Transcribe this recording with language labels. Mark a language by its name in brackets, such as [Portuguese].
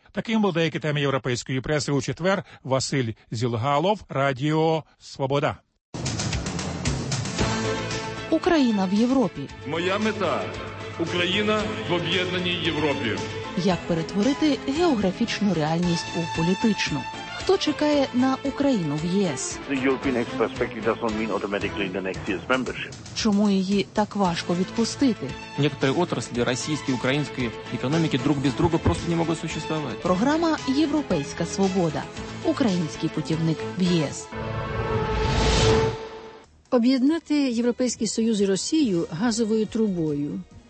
[Ukrainian] Таким був деякі теми європейської преси у четвер. Василь Зілгалов, Радіо Свобода. Україна в Європі. Моя мета – Україна в об'єднаній Європі. Як перетворити географічну реальність у політичну? Хто чекає на Україну в ЄС? [English] The European next perspective doesn't mean automatically the next year's membership. [Ukrainian] Чому її так важко відпустити? [Russian] Некоторі отраслі російської, української економіки друг без друга просто не можуть существовать. [Ukrainian] Програма «Європейська свобода». Український путівник в ЄС. Об'єднати Європейський Союз і Росію газовою трубою.